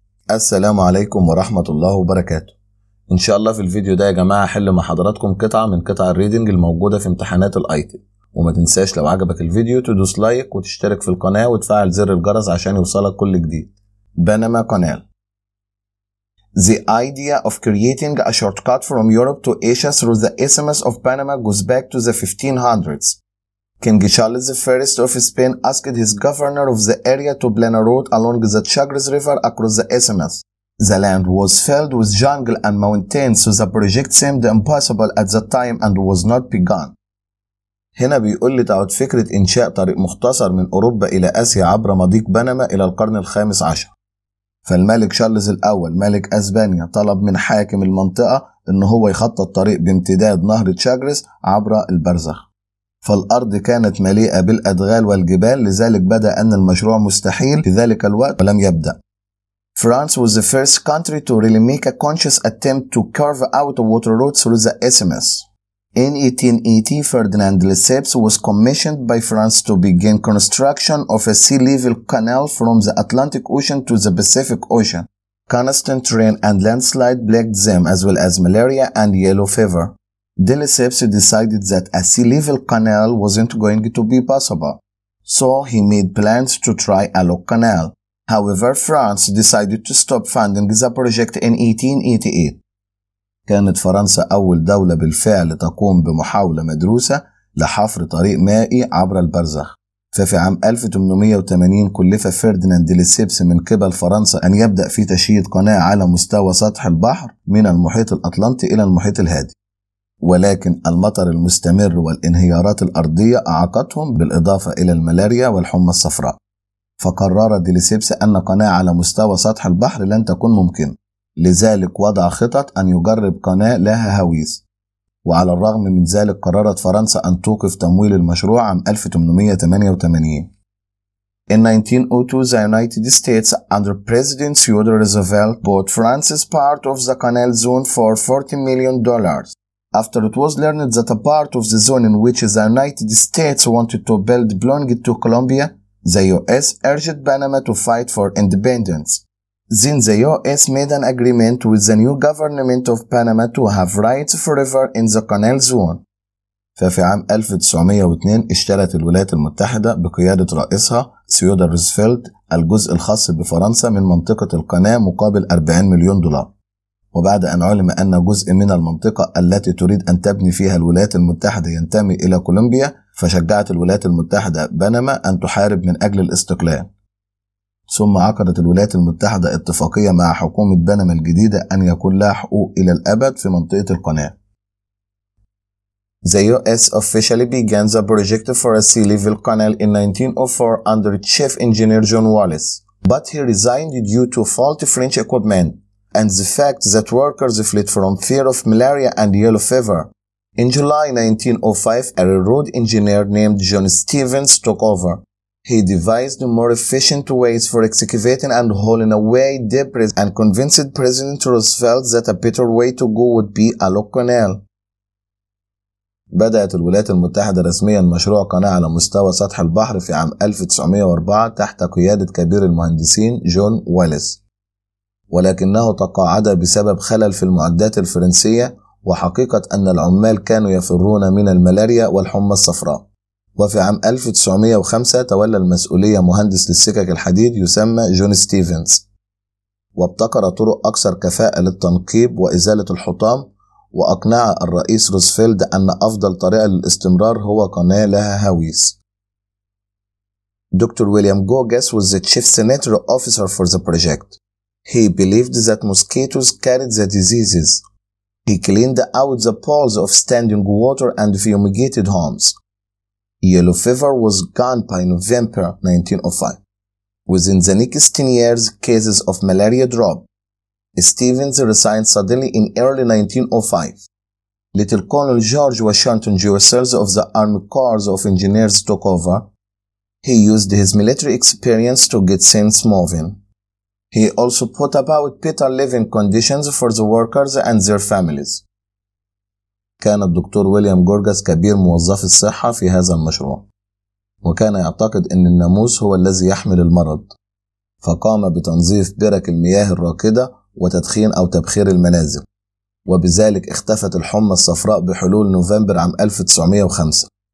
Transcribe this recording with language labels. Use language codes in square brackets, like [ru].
[ar] السلام عليكم ورحمة الله وبركاته. ان شاء الله في الفيديو ده يا جماعة هحل مع حضراتكم قطعة من قطع الريدينج الموجودة في امتحانات الايتيب. وما تنساش لو عجبك الفيديو تدوس لايك وتشترك في القناة وتفعل زر الجرس عشان يوصلك كل جديد. [en] Panama canal. The idea of creating a shortcut from Europe to Asia through the Isthmus of Panama goes back to the 1500s. King Charles I of Spain asked his governor of the area to plan a route along the Chagres River across the Isthmus. The land was filled with jungle and mountains, so the project seemed impossible at the time and was not begun. [ar] هنا بيقول لي تعود فكرة إنشاء طريق مختصر من أوروبا إلى آسيا عبر مضيق بنما إلى القرن الخامس عشر. فالملك شارلز الأول ملك أسبانيا طلب من حاكم المنطقة إن هو يخطط طريق بامتداد نهر تشاجرس عبر البرزخ. فالأرض كانت مليئة بالأدغال والجبال، لذلك بدأ أن المشروع مستحيل في ذلك الوقت ولم يبدأ. [en] France was the first country to really make a conscious attempt to carve out a water route through the Isthmus. In 1880, Ferdinand Lesseps was commissioned by France to begin construction of a sea level canal from the Atlantic Ocean to the Pacific Ocean. Constant rain and landslide plagued them, as well as malaria and yellow fever. Lesseps decided that a sea level canal wasn't going to be possible, so he made plans to try a lock canal. However, France decided to stop funding the project in 1888. [ar] كانت فرنسا أول دولة بالفعل تقوم بمحاولة مدروسة لحفر طريق مائي عبر البرزخ. ففي عام 1880 كلف فيرديناند لسيبس من قبل فرنسا أن يبدأ في تشييد قناة على مستوى سطح البحر من المحيط الأطلنطي إلى المحيط الهادي، ولكن المطر المستمر والانهيارات الأرضية أعاقتهم بالإضافة إلى الملاريا والحمى الصفراء. فقرر لسيبس أن قناة على مستوى سطح البحر لن تكون ممكن، لذلك وضع خطط أن يجرب قناة لها هويس. وعلى الرغم من ذلك قررت فرنسا أن توقف تمويل المشروع عام 1888. [en] In 1902, the United States under President Theodore Roosevelt bought France's part of the canal zone for $40 million. After it was learned that a part of the zone in which the United States wanted to build belonged to Colombia, the US urged Panama to fight for independence. Then the U.S. made an agreement with the new government of Panama to have rights forever in the canal zone. [ar] ففي عام 1902 اشترت الولايات المتحدة بقيادة رئيسها ثيودور روزفلت الجزء الخاص بفرنسا من منطقة القناة مقابل $40 مليون. وبعد أن علم أن جزء من المنطقة التي تريد أن تبني فيها الولايات المتحدة ينتمي إلى كولومبيا، فشجعت الولايات المتحدة بنما أن تحارب من أجل الاستقلال. ثم عقدت الولايات المتحدة اتفاقية مع حكومة بنما الجديدة أن يكون لها حقوق إلى الأبد في منطقة القناة. [en] The US officially began the project for a sea level canal in 1904 under Chief Engineer John Wallace, but he resigned due to faulty French equipment and the fact that workers fled from fear of malaria and yellow fever. In July 1905, a railroad engineer named John Stevens took over. He devised more efficient ways for excavating and hauling away debris and convinced President Roosevelt that a better way to go would be a lock canal. [ar] بدأت الولايات المتحدة رسميا مشروع قناة على مستوى سطح البحر في عام 1904 تحت قيادة كبير المهندسين جون واليس، ولكنه تقاعد بسبب خلل في المعدات الفرنسية وحقيقة أن العمال كانوا يفرون من الملاريا والحمى الصفراء. وفي عام 1905 تولى المسؤولية مهندس للسكك الحديد يسمى جون ستيفنز، وابتكر طرق أكثر كفاءة للتنقيب وإزالة الحطام، وأقنع الرئيس روزفلت أن أفضل طريقة للاستمرار هو قناة لها هويس. [en] دكتور ويليام جوجس was the chief sanitary officer for the project. He believed that mosquitoes carried the diseases. He cleaned out the pools of standing water and fumigated homes. Yellow fever was gone by November 1905. Within the next 10 years, cases of malaria dropped. Stevens resigned suddenly in early 1905. Little Colonel George Washington Jewsels of the Army Corps of Engineers took over. He used his military experience to get things moving. He also put about better living conditions for the workers and their families. [ar] كان الدكتور ويليام جورجس كبير موظف الصحة في هذا المشروع، وكان يعتقد أن الناموس هو الذي يحمل المرض. فقام بتنظيف برك المياه الراكدة وتدخين أو تبخير المنازل، وبذلك اختفت الحمى الصفراء بحلول نوفمبر عام 1905.